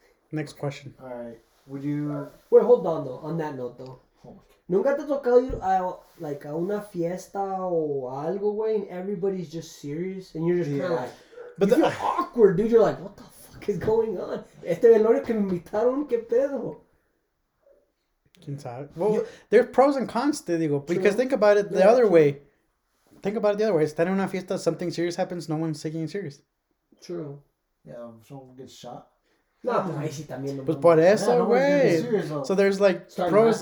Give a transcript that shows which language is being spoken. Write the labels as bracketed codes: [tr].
[en] Next question. All right. Would you... Wait, hold on, though. On that note, though. [es] ¿Nunca te ha tocado ir a, like, a una fiesta o algo, güey, [en] and everybody's just serious? And you're just kind of like... But you feel awkward, dude. You're like, what the fuck is going on? [es] Este velorio que me invitaron, ¿qué pedo? ¿Quién sabe? [en] Well, there's pros and cons, [es] te digo. [en] Because think about it the other way. Think about it the other way. [es] Estar en una fiesta, [en] something serious happens, no one's taking it serious. True. Yeah, someone gets shot. [es] No, pues por eso, güey. [en] So there's like pros.